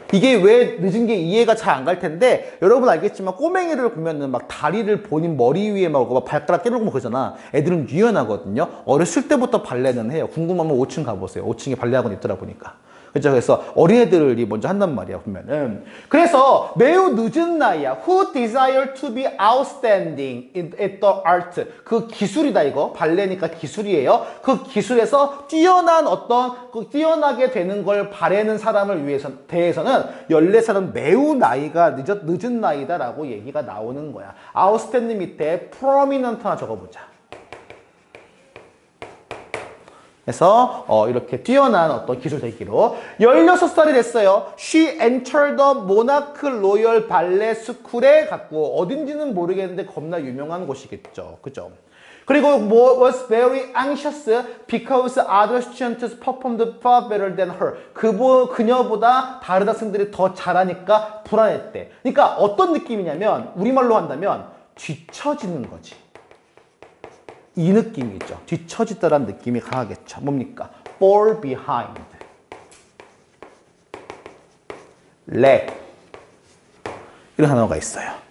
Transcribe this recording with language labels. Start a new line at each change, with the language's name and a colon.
Korean: 이게 왜 늦은 게 이해가 잘 안 갈 텐데, 여러분 알겠지만 꼬맹이를 보면은 막 다리를 본인 머리 위에 막 발가락 깨물고 그러잖아. 애들은 유연하거든요. 어렸을 때부터 발레는 해요. 궁금하면 5층 가보세요. 5층에 발레학원 있더라 보니까. 그죠? 그래서 어린애들이 먼저 한단 말이야, 보면은. 그래서 매우 늦은 나이야.
English: Who desire to be outstanding at the art?
Korean: 그 기술이다, 이거. 발레니까 기술이에요. 그 기술에서 뛰어난 어떤, 그 뛰어나게 되는 걸 바라는 사람을 위해서, 대해서는 14살은 매우 나이가 늦은 나이다라고 얘기가 나오는 거야. outstanding 밑에 prominent 하나 적어보자. 그래서 이렇게 뛰어난 어떤 기술 대기로 16살이 됐어요.
English: She entered the Monarch Royal Ballet School
Korean: 에 갔고, 어딘지는 모르겠는데 겁나 유명한 곳이겠죠. 그죠? 그리고
English: was very anxious because other students performed far better than her.
Korean: 그녀보다 다른 학생들이 더 잘하니까 불안했대. 그러니까 어떤 느낌이냐면 우리말로 한다면 뒤처지는 거지. 이 느낌이죠. 뒤처지다란 느낌이 강하겠죠. 뭡니까? fall behind, lag 이런 단어가 있어요.